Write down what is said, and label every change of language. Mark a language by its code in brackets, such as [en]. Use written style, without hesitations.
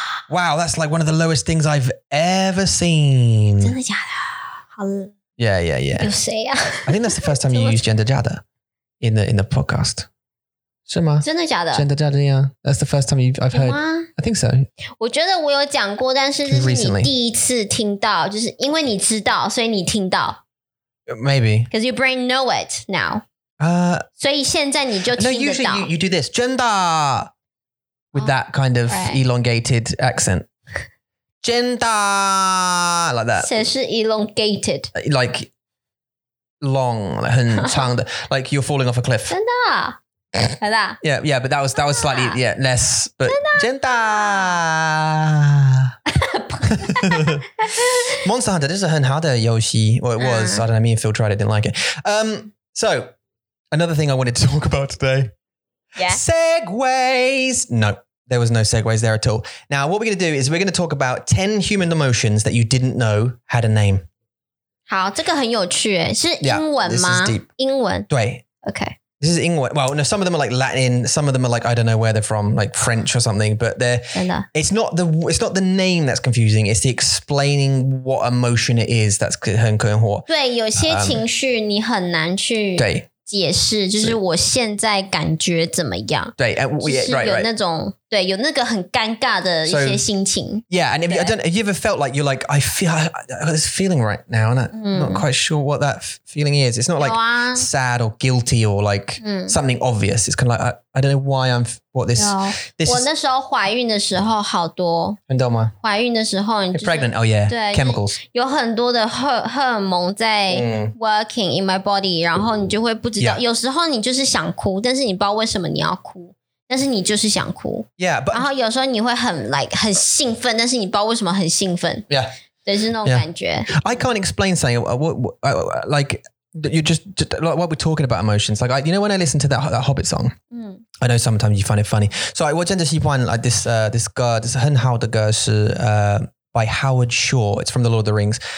[en] Wow, that's like one of the lowest things I've ever seen. [zh] 真的假的?好了。 [en] Yeah, yeah, yeah. [zh] 有谁啊? [en] I think that's the first time you use gender假的 in the podcast. [zh] 是吗? 真的假的? [en] Gender假的, yeah. That's the first time I've heard. [zh] 有吗? [en] I think so. [zh] 我觉得我有讲过, 但是这是你第一次听到, 就是因为你知道, 所以你听到。 [en] Maybe. Because your brain know it now. [zh] 所以现在你就听得到。 [en] No, usually you do this, gender! With that kind of elongated accent. Gender, like that. [zh] 谁是 elongated? [en] Like long, [zh] 很长的, [en] like you're falling off a cliff. [zh] 真的? [en] Yeah, yeah, but that was slightly yeah less. But gender. Monster Hunter, this is a [zh] 很好的游戏. [en] Well, it was. I don't know. Me and Phil tried it, didn't like it. So another thing I wanted to talk about today. Yeah. Segways. No. There was no segues there at all. Now, what we're going to do is we're going to talk about 10 human emotions that you didn't know had a name. [zh] 好,这个很有趣耶。是英文吗? [en] Yeah, this is deep. [zh] 英文? 对。Okay. [en] This is English. Well, no, some of them are like Latin. Some of them are like, I don't know where they're from, like French or something, but they're, it's not the name that's confusing. It's the explaining what emotion it is that's [zh] 对,有些情绪你很难去... 对。解释就是我现在感觉怎么样？对，就是有那种对，有那个很尴尬的一些心情。 [en] So, yeah, and if you, I don't, have you ever felt like you're like, I feel, I got this feeling right now, and I'm not quite sure what that feeling is. It's not like sad or guilty or like something obvious. It's kind of like, I don't know why I'm, what this, [zh] this 我那时候怀孕的时候好多。很多吗？怀孕的时候你就是。 [en] You're pregnant, oh yeah, [zh] 对, [en] chemicals. [zh] 有很多的荷尔蒙在 [en] working in my body, [zh] 然后你就会不知道。有时候你就是想哭，但是你不知道为什么你要哭。但是你就是想哭。 [en] Yeah, but, [zh] 然后有时候你会很 like, 很兴奋，但是你不知道为什么很兴奋。 [en] Yeah. [zh] 对，是那种感觉。 [en] I can't explain something, like, you just, like what we're talking about emotions, like, I, you know when I listen to that, that Hobbit song? Mm. I know sometimes you find it funny. So I, [zh] 我真的喜欢 [en] like this, this 歌, this [zh] 很好的歌是 [en] by Howard Shore. It's from The Lord of the Rings.